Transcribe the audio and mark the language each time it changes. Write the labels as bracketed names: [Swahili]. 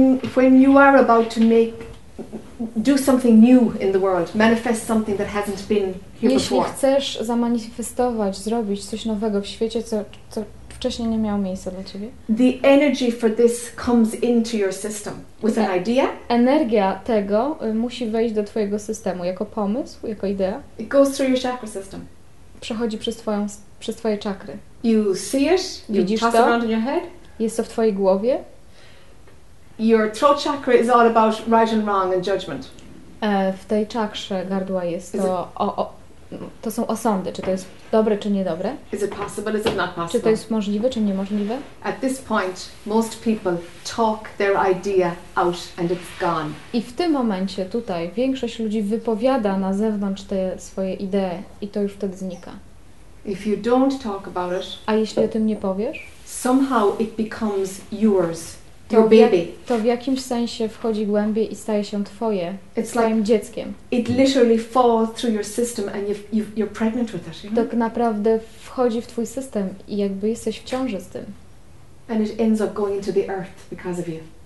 [English] When you are about to do something new in the world, manifest something that hasn't been here [Polish] Jeśli [English] before. [Polish] Chcesz zamanifestować, zrobić coś nowego w świecie, co wcześniej nie miało miejsca dla ciebie. [English] The energy for this comes into your system with an idea. [Polish] Energia tego musi wejść do twojego systemu jako pomysł, jako idea. [English] It goes through your chakra system. [Polish] Przechodzi przez twoje czakry. [English] You see it, you [Polish] Widzisz [English] toss [Polish] to? [English] Around in your head. [Polish] Jest to w twojej głowie. [English] Your throat chakra is all about right and wrong and judgment. [Polish] W tej czakrze gardła jest to to są osądy, czy to jest dobre, czy niedobre. [English] Is it possible, is it not possible? [Polish] Czy to jest możliwe, czy niemożliwe? [English] At this point, most people talk their idea out and it's gone. [Polish] I w tym momencie tutaj większość ludzi wypowiada na zewnątrz te swoje idee i to już wtedy znika. [English] If you don't talk about it, [Polish] a jeśli o tym nie powiesz, [English] somehow it becomes yours. [Polish] To w jakimś sensie wchodzi głębiej i staje się twoje, [English] It's [Polish] twoim [English] like [Polish] dzieckiem. [English] It literally falls through your system and you're pregnant with it. [Polish] Tak naprawdę wchodzi w twój system i jakby jesteś w ciąży z tym. [English] And it ends up going into the earth because of you.